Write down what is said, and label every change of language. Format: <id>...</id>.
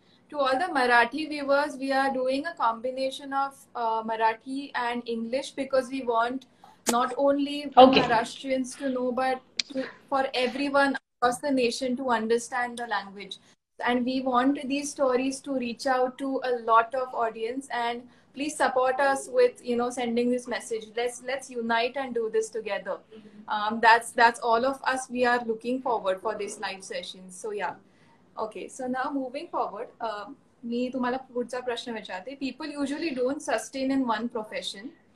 <en>To all the Marathi viewers, we are doing a combination of Marathi and English because we want not only Maharashtrians to know, but for everyone across the nation to understand the language. And we want these stories to reach out to a lot of audience. And please support us with, you know, sending this message. Let's unite and do this together. Mm-hmm. That's all of us. We are looking forward for this live session. So, yeah.</en> <mr>Okay so ना</mr> <en>moving forward</en> <mr>मी तुम्हाला पुढचा प्रश्न विचारते.</mr> <en>People usually don't sustain in one profession.</en>